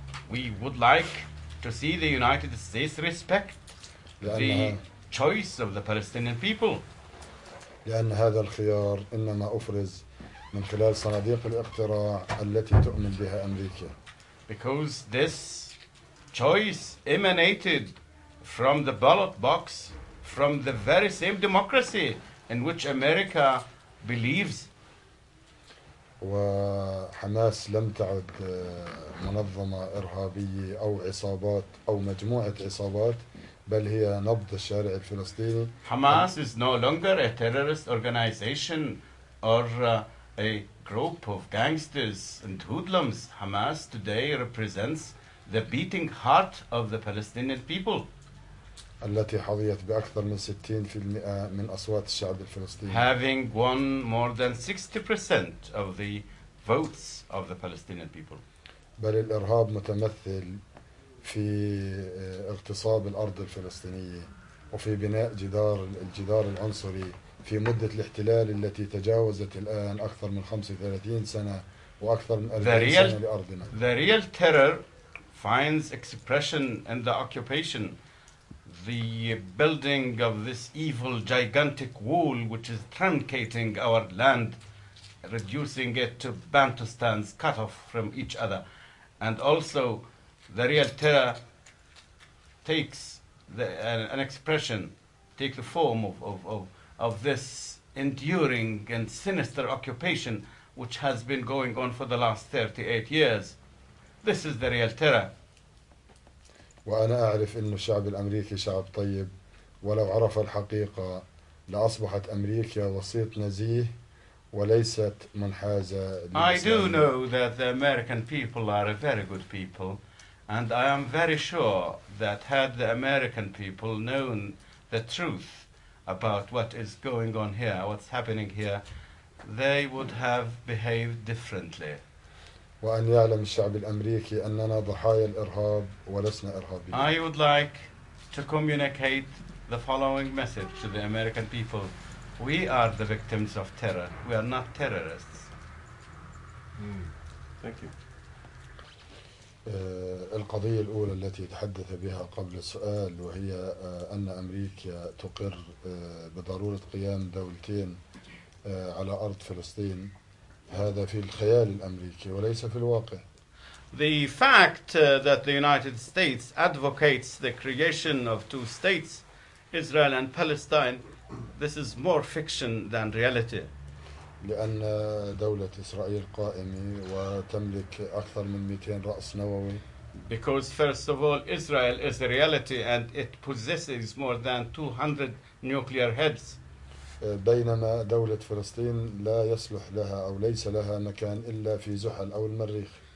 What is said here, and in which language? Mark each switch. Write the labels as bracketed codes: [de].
[en] We would like to see the United States respect the choice of the Palestinian people. [ar] لأن هذا الخيار إنما أفرز من خلال صناديق الاقتراع التي تؤمن بها أمريكا. [en] Because this choice emanated from the ballot box from the very same democracy in which America believes. [ar] وحماس لم تعد منظمة إرهابية أو عصابات أو مجموعة عصابات بل هي نبض الشارع الفلسطيني [en] Hamas is no longer a terrorist organization or a group of gangsters and hoodlums. Hamas today represents the beating heart of the Palestinian people [ar] التي حظيت بأكثر من 60% من أصوات الشعب الفلسطيني [en] having won more than 60% of the votes of the Palestinian people [ar] بل الإرهاب متمثل في اغتصاب الأرض الفلسطينية وفي بناء الجدار العنصري في مدة الاحتلال التي تجاوزت الآن أكثر من 35 سنة وأكثر من 40 سنة لأرضنا [en] The real terror finds expression in the occupation the building of this evil gigantic wall which is truncating our land reducing it to Bantustans cut off from each other And also, the real terror takes the, an expression, takes the form of this enduring and sinister occupation which has been going on for the last 38 years. This is the real terror. [ar] وأنا أعرف إن الشعب الأمريكي شعب طيب ولو عرف الحقيقة لأصبحت أمريكا وسيط نزيه وليست منحازة للإسلام. [en] I do know that the American people are a very good people, and I am very sure that had the American people known the truth about what is going on here, what's happening here, they would have behaved differently. [ar] وأن يعلم الشعب الأمريكي أننا ضحايا الإرهاب ولسنا إرهابيين. [en] I would like to communicate the following message to the American people. We are the victims of terror. We are not terrorists. Thank you. [ar] القضية الأولى التي تحدث بها قبل السؤال وهي أن أمريكا تقر بضرورة قيام دولتين على أرض فلسطين. هذا في الخيال الأمريكي وليس في الواقع. [en] The fact that the United States advocates the creation of two states, Israel and Palestine, this is more fiction than reality. [ar] لأن دولة إسرائيل قائمة وتملك أكثر من 200 رأس نووي. [en] Because first of all, Israel is a reality and it possesses more than 200 nuclear heads. [ar] بينما دولة فلسطين لا يصلح لها أو ليس لها مكان إلا في زحل أو المريخ.